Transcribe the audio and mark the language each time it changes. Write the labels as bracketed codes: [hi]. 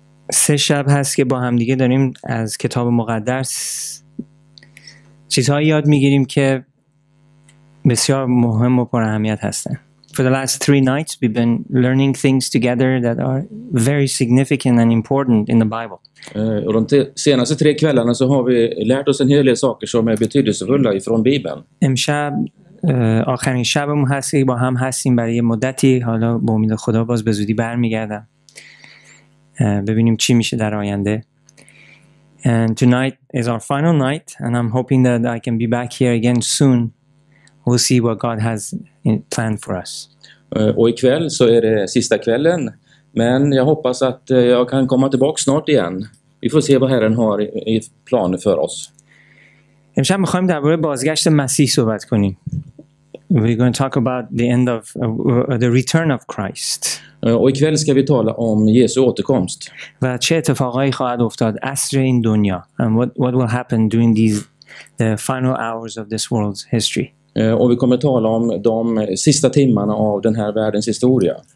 [fa] سه شب هست که با هم دیگه داریم از کتاب مقدس چیزهایی یاد میگیریم که بسیار مهم و پر اهمیت هستن. [en] For the last three nights, we've been learning things together that are very significant and important in the Bible. [sv] Och de senaste tre kvällarna så har vi lärt oss en hel del saker som är betydelsefulla ifrån Bibeln. [fa] امشب آخرین شبمون هست که با هم هستیم برای مدتی، حالا با امید خدا باز به زودی برمیگردم. ببینیم چی میشه در آینده. [en] And tonight is our final night and I'm hoping that I can be back here again soon. We'll see what God has planned for us. [sv] Och ikväll så är det sista kvällen, men jag hoppas att jag kan komma tillbaka snart igen. Vi får se vad Herren har i plan för oss. [fa] امشب می‌خوایم درباره بازگشت مسیح صحبت کنیم. [en] We're going to talk about the end of the return of Christ. [sv] Och ikväll ska vi tala om Jesu återkomst. [fa] و چه اتفاقایی خواهد افتاد عصر این دنیا. [en] And what will happen during the final hours of this world's history. [sv] Och vi kommer att tala om de sista timmarna av den här världens historia.